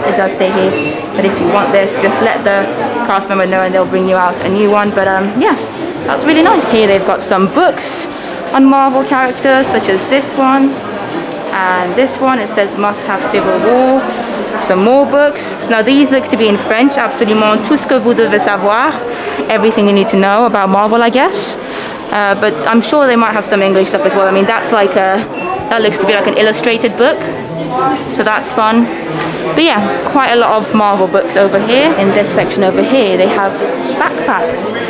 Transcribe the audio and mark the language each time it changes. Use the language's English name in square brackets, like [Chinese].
[English] It does stay here, but if you want this, just let the cast member know and they'll bring you out a new one. But yeah, that's really nice. Here they've got some books on Marvel characters, such as this one and this one. It says must have Civil War. Some more books. Now these look to be in French. [French] Absolument tout ce que vous devez savoir. [English] Everything you need to know about Marvel, I guess. But I'm sure they might have some English stuff as well. I mean, that's like a, that looks to be like an illustrated book. So that's fun. But yeah, quite a lot of Marvel books over here. In this section over here, they have backpacks.